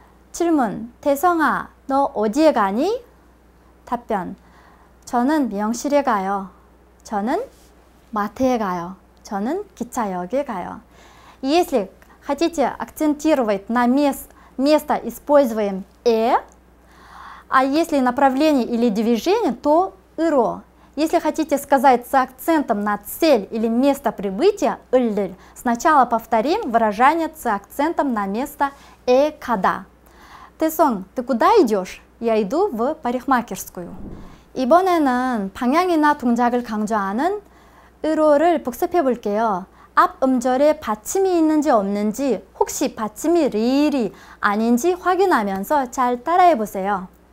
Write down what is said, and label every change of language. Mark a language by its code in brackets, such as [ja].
[ko] 질문, 대성아, 너 어디에 가니? 답변, 저는 미용실에 가요. 저는 마트에 가요. 저는 기차역에 가요. [ru] Если хотите акцентировать на место используем «э», а если направление или движение, то «ро». Если хотите сказать с акцентом на цель или место прибытия «ль», сначала повторим выражение с акцентом на место «э када». Тэсон, ты куда идешь? Я иду в парикмахерскую. [ko] 이번에는 방향이나 동작을 강조하는 으로를 복습해 볼게요. 앞 음절에 받침이 있는지 없는지, 혹시 받침이 리리 아닌지 확인하면서 잘 따라해 보세요.